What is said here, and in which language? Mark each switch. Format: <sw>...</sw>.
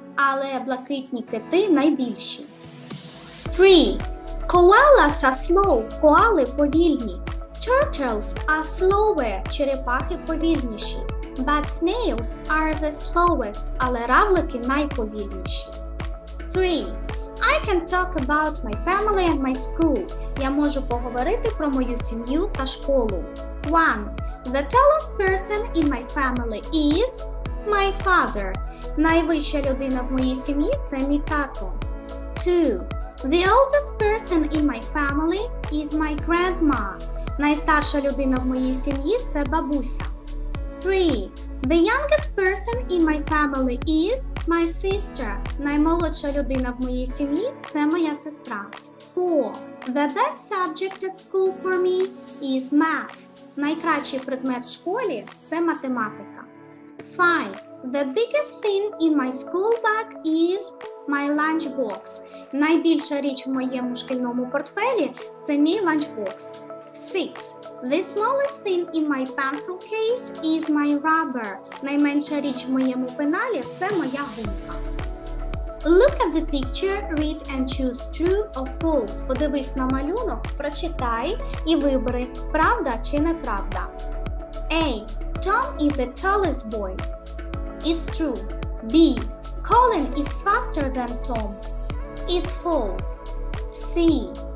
<uk>Але блакитні кити найбільші.</uk> <en>3. Koalas are slow.</en> <uk>Коали повільні.</uk> <en>Turtles are slower.</en> <uk>Черепахи повільніші.</uk> <en>But snails are the slowest.</en> <uk>Але равлики найповільніші. 3.</uk> <en>I can talk about my family and my school.</en> <uk>Я можу поговорити про мою сім'ю та школу. 1.</uk> <en>The tallest person in my family is my father.</en> <uk>Найвища людина в моїй сім'ї – це мій тато. 2.</uk> <en>The oldest person in my family is my grandma.</en> <uk>Найстарша людина в моїй сім'ї – це бабуся. 3.</uk> <en>The youngest person in my family is my sister.</en> <uk>Наймолодша людина в моїй сім'ї – це моя сестра. 4.</uk> <en>The best subject at school for me is math.</en> <uk>Найкращий предмет в школі – це математика. 5.</uk> <en>The biggest thing in my school bag is my lunchbox.</en> <uk>Найбільша річ в моєму шкільному портфелі – це мій lunchbox. 6.</uk> <en>The smallest thing in my pencil case is my rubber.</en> <uk>Найменша річ в моєму пеналі – це моя гумка.</uk> <en>Look at the picture, read and choose true or false.</en> <uk>Подивись на малюнок, прочитай і вибери, правда чи неправда.</uk> <en>A. Tom is the tallest boy. It's true. B. Colin is faster than Tom. It's false. C.</en>